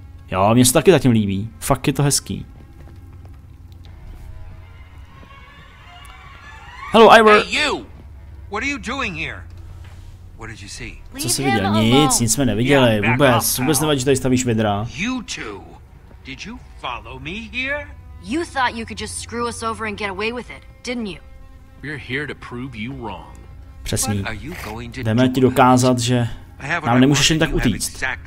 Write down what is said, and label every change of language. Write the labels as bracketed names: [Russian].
[Czech] Jo, mě se taky zatím líbí, fakt je to hezký. [English] Hello, Ivor. Hey, you! What are you doing here? What did you see? [Czech] Co jsi viděl? Nic jsme neviděli, vůbec nevadí, že tady stavíš vidra. [English] You two, did you follow me here? You thought you could just screw us over and get away with it, didn't you? We're here to prove you wrong. [Czech] Přesný. Jdeme ti dokázat, že nám nemůžeš jen tak utíct.